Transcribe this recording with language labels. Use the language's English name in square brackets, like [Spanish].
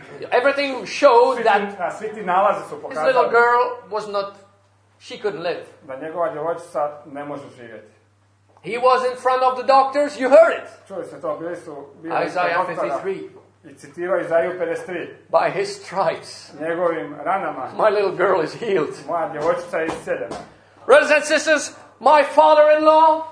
[English] Everything showed that his little girl was not, she couldn't live. [Croatian] Da njegova djevojčica ne može živjeti. [English] He was in front of the doctors, you heard it. [Croatian] Čuli ste to, bili su [English] Isaiah 53. [Croatian] I citirao Isaiah 53. [English] By his stripes. [Croatian] Njegovim ranama. [English] My little girl is healed. [Croatian] Moja djevojčica je iscijeljena. [English] Brothers and sisters, my father-in-law.